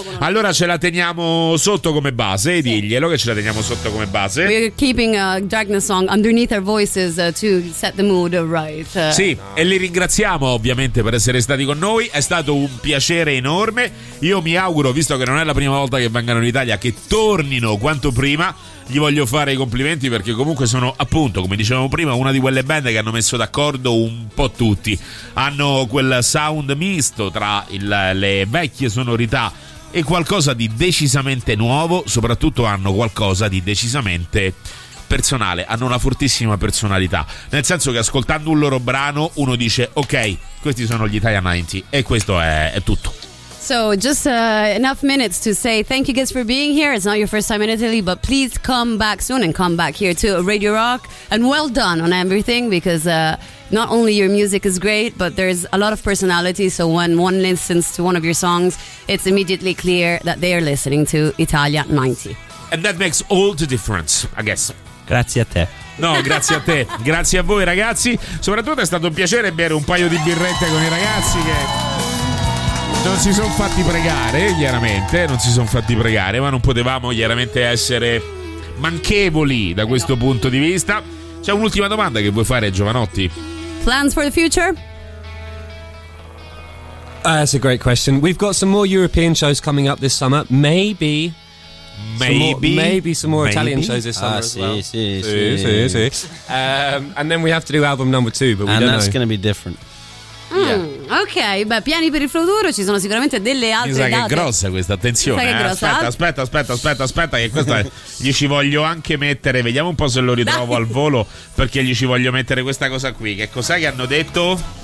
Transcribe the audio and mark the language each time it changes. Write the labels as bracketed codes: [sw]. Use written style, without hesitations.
[it] Allora ce la teniamo sotto come base, sì. Diglielo che ce la teniamo sotto come base. [en] We're keeping a Dragnet song underneath our voices to set the mood right. [it] Sì, no. E li ringraziamo ovviamente per essere stati con noi, è stato un piacere enorme. Io mi auguro, visto che non è la prima volta che vengano in Italia, che tornino quanto prima. Gli voglio fare i complimenti perché comunque sono, appunto, come dicevamo prima, una di quelle band che hanno messo d'accordo un po' tutti. Hanno quel sound misto tra le vecchie sonorità e qualcosa di decisamente nuovo. Soprattutto hanno qualcosa di decisamente personale, hanno una fortissima personalità, nel senso che ascoltando un loro brano uno dice ok, questi sono gli Italia 90, e questo è tutto. [en] So just enough minutes to say thank you guys for being here. It's not your first time in Italy, but please come back soon and come back here to Radio Rock. And well done on everything, because not only your music is great, but there's a lot of personality. So when one listens to one of your songs, it's immediately clear that they are listening to Italia 90. And that makes all the difference, I guess. [it] Grazie a te. No, grazie a te. Grazie a voi ragazzi. Soprattutto è stato un piacere bere un paio di birrette con i ragazzi che... non si sono fatti pregare, chiaramente, non si sono fatti pregare, ma non potevamo chiaramente essere manchevoli da questo punto di vista. C'è un'ultima domanda che vuoi fare, Giovanotti? [en] Plans for the future? That's a great question. We've got some more European shows coming up this summer. Maybe. Maybe. Some more Italian shows this summer as well. [it] Sì. [en] And then we have to do album number two, but we don't know. And that's going to be different. Yeah. [it] Ok, beh, piani per il futuro, ci sono sicuramente delle altre date. Mi sa che è grossa questa, attenzione. Aspetta, che questa gli ci voglio anche mettere, vediamo un po' se lo ritrovo. Dai. Al volo, perché gli ci voglio mettere questa cosa qui. Che cos'è che hanno detto?